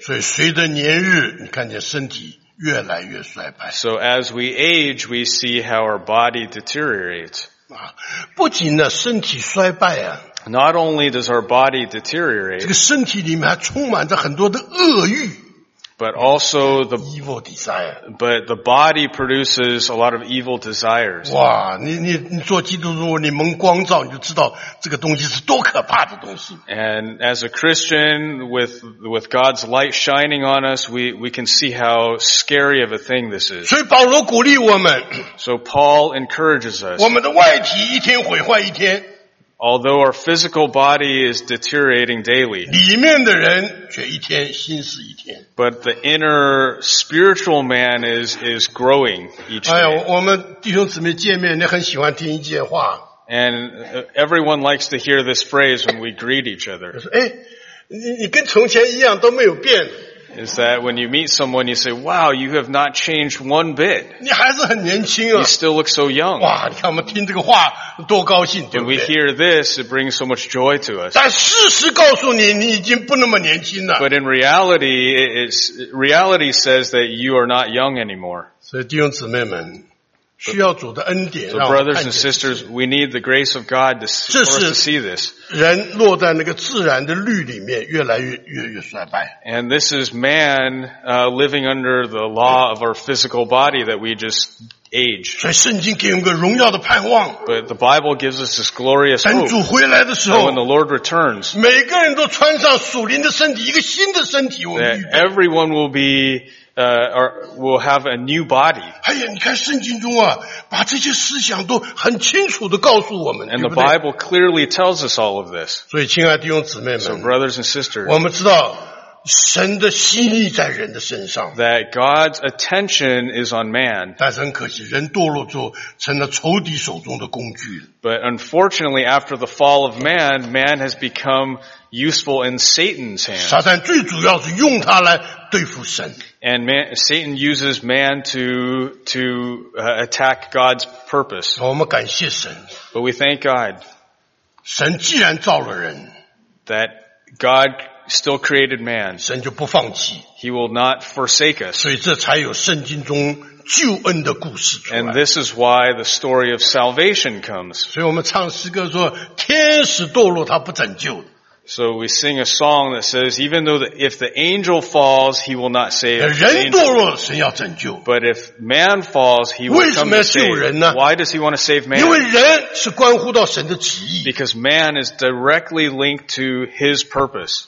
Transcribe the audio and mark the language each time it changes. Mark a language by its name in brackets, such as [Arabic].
[Chinese] 所以随着年日，你看见身体越来越衰败。 [English] So as we age, we see how our body deteriorates. [Chinese] 啊，不仅呢身体衰败啊。 [English] Not only does our body deteriorate, [Chinese] 这个身体里面还充满着很多的恶欲。 [English] But also the evil desire. But the body produces a lot of evil desires. [Chinese] 哇，你做基督徒，你蒙光照，你就知道这个东西是多可怕的东西。 [English] And as a Christian, with God's light shining on us, we can see how scary of a thing this is. [Chinese] 所以保罗鼓励我们。 [English] So Paul encourages us. [Chinese] 我们的外体一天毁坏一天。 [English] Although our physical body is deteriorating daily, [Chinese] 里面的人却一天新似一天。 [English] But the inner spiritual man is growing each day. [Chinese] 哎呀，我们弟兄姊妹见面，你很喜欢听一句话。 [English] And everyone likes to hear this phrase when we greet each other. [Chinese] 哎，你跟从前一样都没有变。 [English] Is that when you meet someone, you say, wow, you have not changed one bit. [Chinese] 你还是很年轻啊。 [English] You still look so young. [Chinese] 哇，你看我们听这个话多高兴，对不对？ [English] When we hear this, it brings so much joy to us. [Chinese] 但事实告诉你，你已经不那么年轻了。 [English] But in reality, reality says that you are not young anymore. [Chinese] 所以弟兄姊妹们，需要主的恩典让我看见。 [English] So brothers and sisters, we need the grace of God for us to see this. [Chinese] 人落在那个自然的律里面，越来越衰败。 [English] And this is man, living under the law of our physical body that we just age. [Chinese] 所以圣经给我们个荣耀的盼望。 [English] But the Bible gives us this glorious hope. [Chinese] 等主回来的时候。 [English] When the Lord returns. [Chinese] 每个人都穿上属灵的身体，一个新的身体，我们预备。 [English] That everyone will be or will have a new body. [Chinese] 哎呀，你看圣经中啊，把这些思想都很清楚地告诉我们。 [English] And the Bible clearly tells us all of this. [Chinese] 所以，亲爱的弟兄姊妹们 [English] ，So brothers and sisters, [Chinese] 我们知道神的心意在人的身上。 [English] That God's attention is on man. [Chinese] 但是很可惜，人堕落之后成了仇敌手中的工具。 [English] But unfortunately, after the fall of man, man has become useful in Satan's hands. [Chinese] 撒旦最主要是用它来对付神。 [English] And Satan uses man to attack God's purpose. [Chinese] 我们感谢神。 [English] But we thank God. [Chinese] 神既然造了人。 [English] That God still created man. [Chinese] 神就不放弃。 [English] He will not forsake us. [Chinese] 所以这才有圣经中救恩的故事出来。 [English] And this is why the story of salvation comes. [Chinese] 所以我们唱诗歌说，天使堕落他不拯救。 [English] So we sing a song that says, even though if the angel falls, he will not save. [Chinese] 人堕落了，神要拯救。 [English] But if man falls, he will come to save. [Chinese] 为什么要救人呢？ [English] Why does he want to save man? [Chinese] 因为人是关乎到神的旨意。 [English] Because man is directly linked to his purpose.